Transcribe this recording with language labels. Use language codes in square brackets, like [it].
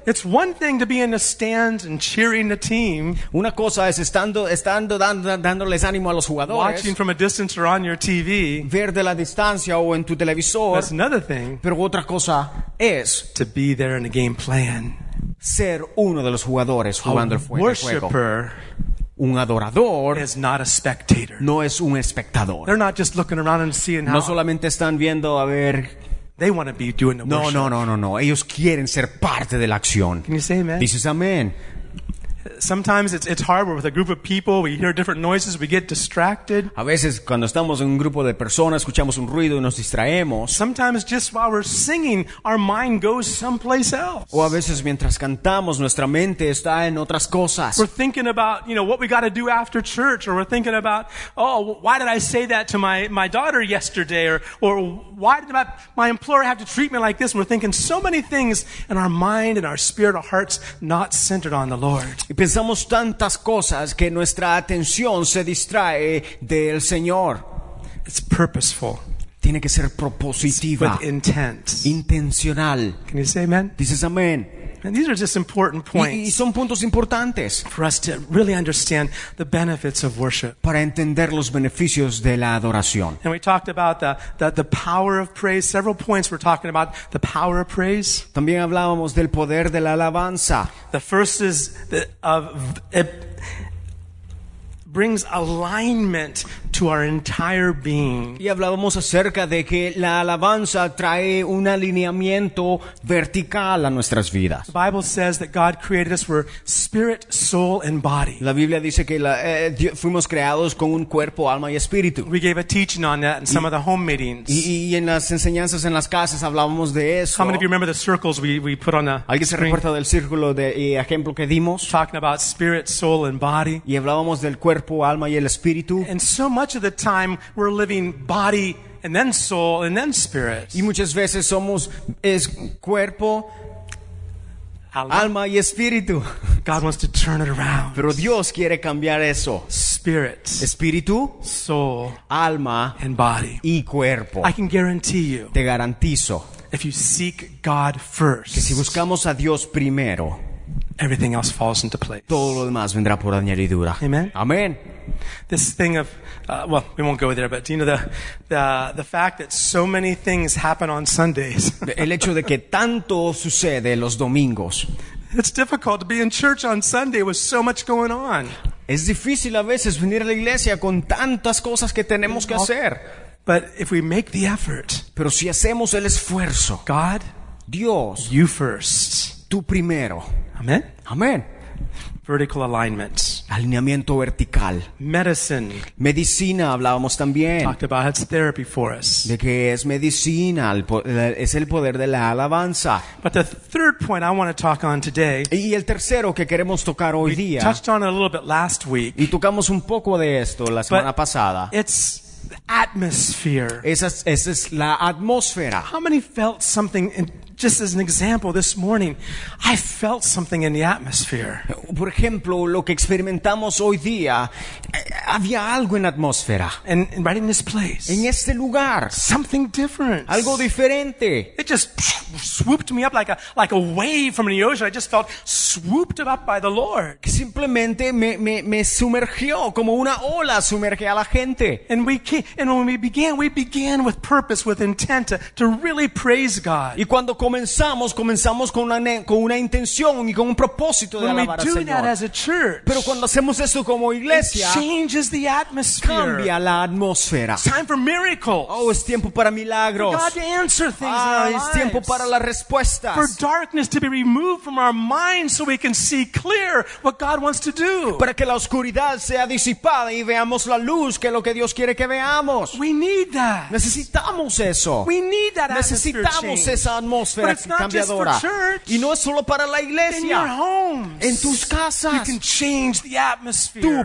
[en] It's one thing to be in the stands and cheering the team. [es] Una cosa es dándoles ánimo a los jugadores. [en] Watching from a distance or on your TV. [es] Ver de la distancia o en tu televisor. [en] That's another thing. [es] Pero otra cosa es [en] to be there in the game playing. [es] Ser uno de los jugadores jugando el juego. [en] A worshipper. [es] Un adorador [en] is not a spectator. [es] No es un espectador. [en] They're not just looking around and seeing [es] no [en] how. [es] No solamente están viendo a ver [en] They want to be doing the worship. [es] No. Ellos quieren ser parte de la acción. [en] Can you say amen? [es] Dices amén. [en] Sometimes it's hard. We're with a group of people. We hear different noises. We get distracted. [es] A veces cuando estamos en un grupo de personas escuchamos un ruido y nos distraemos. [en] Sometimes just while we're singing, our mind goes someplace else. [es] O a veces mientras cantamos nuestra mente está en otras cosas. [en] We're thinking about, you know, what we got to do after church, or we're thinking about, oh, why did I say that to my daughter yesterday, or why did my employer have to treat me like this? And we're thinking so many things, and our mind and our spirit, our hearts, not centered on the Lord. [es] Y pensamos tantas cosas que nuestra atención se distrae del Señor. [en] It's purposeful. [es] Tiene que ser propositiva. [en] It's with intent. [es] Intencional. [en] Can you say amen? [es] Dices amén. [en] And these are just important points. [es] Y son puntos importantes. [en] For us to really understand the benefits of worship. [es] Para entender los beneficios de la adoración. [en] And we talked about the power of praise. Several points we're talking about the power of praise. [es] También hablábamos del poder de la alabanza. [en] The first is it brings alignment to our entire being. [es] Y hablábamos acerca de que la alabanza trae un alineamiento vertical a nuestras vidas. [en] The Bible says that God created us for spirit, soul, and body. [es] La Biblia dice que fuimos creados con un cuerpo, alma y espíritu. [en] We gave a teaching on that in some of the home meetings. [es] Y en las enseñanzas en las casas hablábamos de eso. [en] How many of you remember the circles we put on the screen? [es] ¿Alguien se recuerda del círculo de ejemplo que dimos? [en] Talking about spirit, soul, and body. [es] Y hablábamos del cuerpo, alma y el espíritu. [en] And so much of the time we're living body and then soul and then spirit. [es] Y muchas veces somos es cuerpo, alma y espíritu. [en] God wants to turn it around. [es] Pero Dios quiere cambiar eso. [en] Spirit, [es] espíritu, [en] soul, [es] alma, [en] and body, [es] y cuerpo. [en] I can guarantee you. [es] Te garantizo. [en] If you seek God first. [es] Que si buscamos a Dios primero, [en] everything else falls into place. [es] Todo lo demás vendrá por añadidura. [en] Amen. [es] Amen. [en] This thing of, well, we won't go there, but you know the fact that so many things happen on Sundays. [es] El hecho de que tanto sucede los domingos. [en] It's difficult to be in church on Sunday with so much going on. [es] Es difícil a veces venir a la iglesia con tantas cosas que tenemos que hacer. [en] But if we make the effort. [es] Pero si hacemos el esfuerzo. [en] God, [es] Dios. [en] You first. [es] Tú primero. [en] Amen. [es] Amen. [en] Vertical alignment. [es] Alineamiento vertical. [en] Medicine. [es] Medicina, hablábamos también. [en] Talked about it's therapy for us. [es] De que es medicina, es el poder de la alabanza. [en] But the third point I want to talk on today. [es] Y el tercero que queremos tocar hoy día. [en] We touched on it a little bit last week. [es] Y tocamos un poco de esto la semana pasada. [en] It's atmosphere. [es] Esa es la atmósfera. [en] How many felt something in? Just as an example, this morning, I felt something in the atmosphere. [es] Por ejemplo, lo que experimentamos hoy día, había algo en la atmósfera. [en] And right in this place. [es] En este lugar. [en] Something different. [es] Algo diferente. [en] It just swooped me up like a wave from the ocean. I just felt swooped up by the Lord. [es] Simplemente me sumergió como una ola sumerge a la gente. [en] And when we began with purpose, with intent to really praise God. [es] Y cuando comenzamos con una intención y con un propósito de alabar al Señor. Pero cuando hacemos eso como iglesia, cambia la atmósfera. [en] Time for miracles. [es] Oh, es tiempo para milagros. [en] God to answer things. [es] Ah, es tiempo para las respuestas. [en] For darkness to be removed from our minds so we can see clear what God wants to do. [es] Para que la oscuridad sea disipada y veamos la luz que es lo que Dios quiere que veamos. [en] We need that. [es] Necesitamos eso. [en] We need that atmosphere. [es] Necesitamos esa atmósfera. [en] But it's not [es] cambiadora. [en] Just for church. [es] Y no es solo para la iglesia. [en] In your homes. [es] En tus casas. [en] You can change the atmosphere.